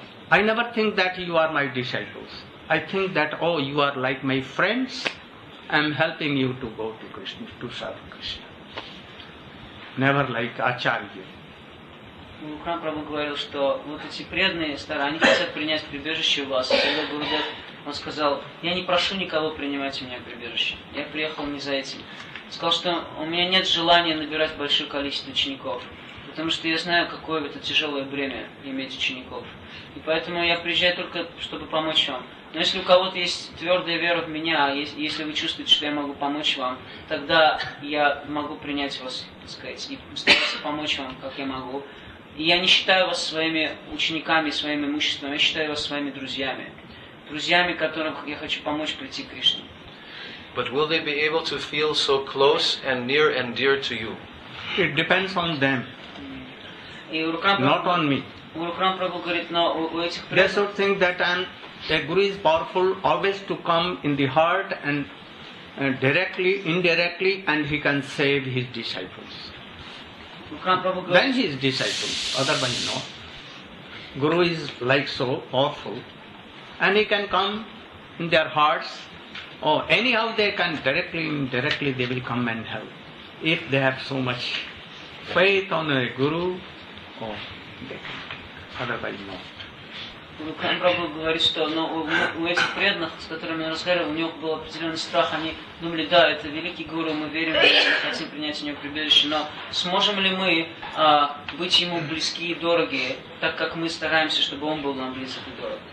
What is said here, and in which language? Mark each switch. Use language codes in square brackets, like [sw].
[en] I never think that you are my disciples. I think that, you are like my friends. I'm helping you to go to Krishna, to serve Krishna. Never like Acharya. [ru] Гурухан Прабху говорил, что вот эти преданные старые, они хотят принять прибежище у вас. И Гурудев, он сказал, я не прошу никого принимать у меня прибежище. Я приехал не за этим. Сказал, что у меня нет желания набирать большое количество учеников. Потому что я знаю, какое это тяжелое бремя иметь учеников. И поэтому я приезжаю только, чтобы помочь вам. Но если у кого-то есть твердая вера в меня, если вы чувствуете, что я могу помочь вам, тогда я могу принять вас, так сказать, и стараться помочь вам, как я могу. И я не считаю вас своими учениками, своим имуществом, я считаю вас своими друзьями. Друзьями, которым я хочу помочь прийти к Кришне. [en] But will they be able to feel so close and near and dear to you? It depends on them. Not on me. [ru] Гурухан Прабху говорит, но у этих преданных... [en] They sort of think that a guru is powerful always to come in the heart and directly, indirectly, and he can save his disciples. Then he is disciple, otherwise no. Guru is like so powerful, and he can come in their hearts, or anyhow they can directly, indirectly they will come and help. If they have so much faith on a guru, they can, otherwise no. [ru] Гурухан Прабху говорит, что у этих преданных, с которыми он разговаривал, у него был определенный страх. Они думали, да, это великий гуру, мы верим, хотим принять у него прибежище, но сможем ли мы быть ему близки и дороги, так как мы стараемся, чтобы он был нам близок и дорог?